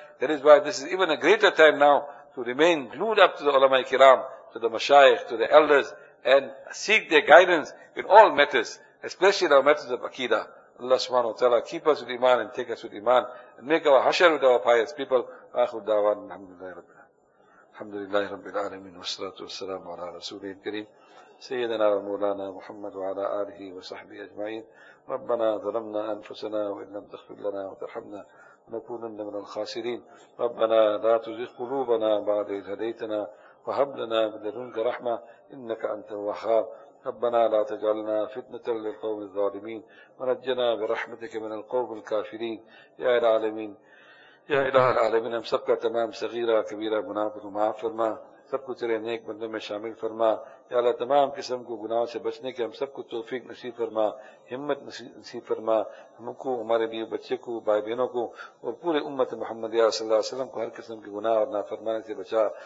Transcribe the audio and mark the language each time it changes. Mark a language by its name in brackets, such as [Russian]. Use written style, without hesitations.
[English] That is why this is even a greater time now to remain glued up to the ulama-i kiram, to the mashayikh, to the elders, and seek their guidance in all matters, especially in our matters of aqidah. Allah subhanahu wa ta'ala, keep us with iman and take us with iman, and make our hashar with our pious people. Akhir da'wan, alhamdulillah. [Arabic] الحمد لله رب العالمين والصلاة والسلام على رسوله الكريم سيدنا ومولانا محمد وعلى آله وصحبه أجمعين. ربنا ظلمنا أنفسنا وإن لم تغفر لنا وترحمنا لنكونن من الخاسرين. ربنا لا تزغ قلوبنا بعد إذ هديتنا وهب لنا من لدنك رحمة إنك أنت الوهاب. ربنا لا تجعلنا فتنة للقوم الظالمين ونجنا برحمتك من القوم الكافرين يا العالمين. يا إله العالمين [Urdu] ہم سب کا تمام صغیرہ کبیرہ گناہ کو تو معاف فرما، سب کو تیرے نیک بندوں میں شامل فرما. یا اللہ تمام قسم کو گناہ سے بچنے کے ہم سب کو توفیق نصیب فرما، ہمت نصیب فرما، ہم کو، ہمارے لیے بچے کو، بھائی بہنوں کو اور پورے امت محمد صلی اللہ علیہ وسلم کو ہر قسم کے گناہ اور نافرمانی سے بچا.